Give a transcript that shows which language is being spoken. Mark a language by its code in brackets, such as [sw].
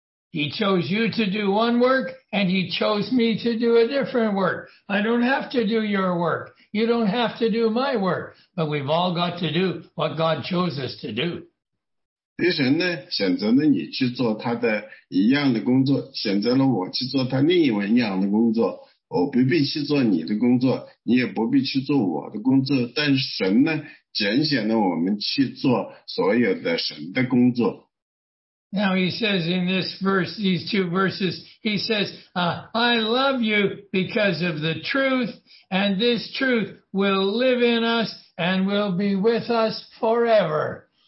[en] He chose you to do one work, and he chose me to do a different work. I don't have to do your work. You don't have to do my work. But we've all got to do what God chose us to do. [zh] 神呢,选择了你去做他的一样的工作,选择了我去做他另一样的工作。我不必去做你的工作,你也不必去做我的工作,但神呢,拣选了我们去做所有的神的工作。 [en] Now he says in this verse, these two verses, he says, I love you because of the truth, and this truth will live in us and will be with us forever.